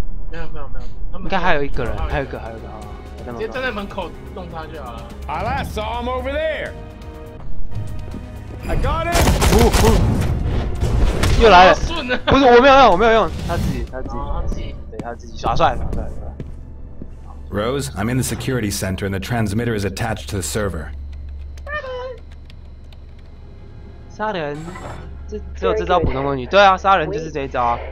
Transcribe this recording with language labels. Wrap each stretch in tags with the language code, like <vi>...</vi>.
<zh>没有没有没有，他们应该还有一个人，还有一个还有一个啊，直接站在门口弄他就好了。</zh> <en>I last saw him over there。 I got him。</en> <zh>又来了，瞬了。不是，我没有用，我没有用，他自己，他自己，他自己，对，他自己耍帅，耍帅。</zh> <en>Rose, I'm in the security center and the transmitter is attached to the server.</en> <zh>杀人，这只有这招普通攻击。对啊，杀人就是这一招啊。</zh>